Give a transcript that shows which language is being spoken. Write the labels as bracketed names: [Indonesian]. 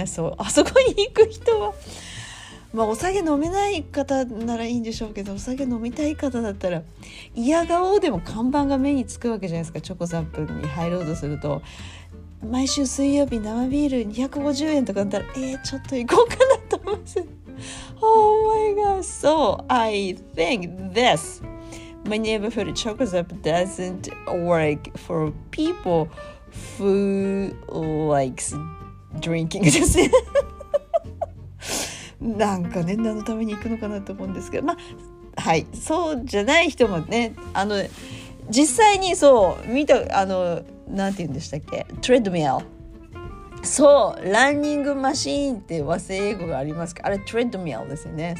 [Japanese] そう、あそこに行く人は、まあ、お酒飲めない方ならいいんでしょうけど、お酒飲みたい方だったら嫌がおうでも看板が目につくわけじゃないですか。チョコザップに入ろうとすると毎週水曜日生ビール250円とかだったら、ちょっと行こうかなと思います。 [English] Oh my god, so I think this my neighborhood Choco Zap doesn't work for people who likes drinking [Japanese] ですね。なんかね、何のために行くのかなと思うんですけど、まあ、はい、そうじゃない人もね、あの実際にそう見た、あのなんて言うんでしたっけ、トレッドミル、そうランニングマシーンって和製英語がありますか、あれトレッドミルですよね。